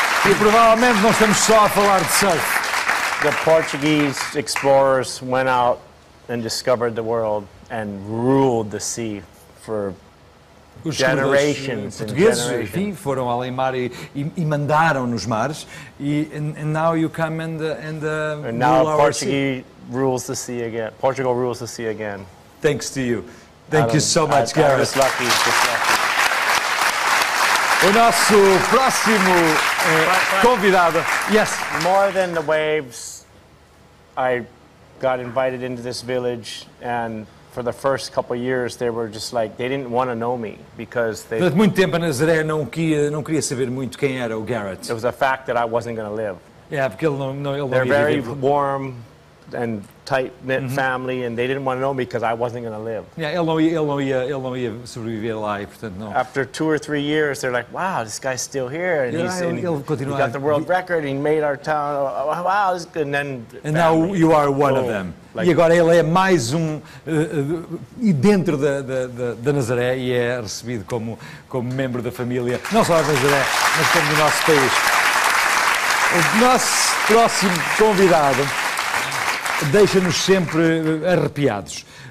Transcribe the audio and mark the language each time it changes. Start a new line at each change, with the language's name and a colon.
Portuguese: E provavelmente não estamos só a falar de surf.
English: The Portuguese explorers went out and discovered the world and ruled the sea for
Portuguese: Os generations portugueses, enfim, foram além mar e mandaram nos mares.
English: And now you come and now rule our Portuguese sea. Rules the sea again. Portugal rules the sea again. Thanks to you. Thank you so much, Garrett. I was lucky.
Portuguese: O nosso próximo convidado. Yes.
English: More than the waves, I got invited into this village and. For the first couple of years, they were just like they didn't want to know me because they.
Portuguese: Durante muito tempo, Nazaré não queria saber muito quem era o Garrett.
English: It was a fact that I wasn't going to live.
Portuguese: Yeah, porque ele não ia viver.
English: They're very warm and tight knit mm-hmm. family, and they didn't want to know me because I wasn't going to live.
Portuguese: Yeah, ele não ia sobreviver lá, e, portanto não.
English: After two or three years, they're like, "Wow, this guy's still here, and yeah, he got the world record, and he made our town. Wow, this good." And then. And family. Now you are one of them.
Portuguese: Like, e agora ele é mais um dentro da Nazaré e é recebido como membro da família, não só da Nazaré, mas como do nosso país. O nosso próximo convidado deixa-nos sempre arrepiados.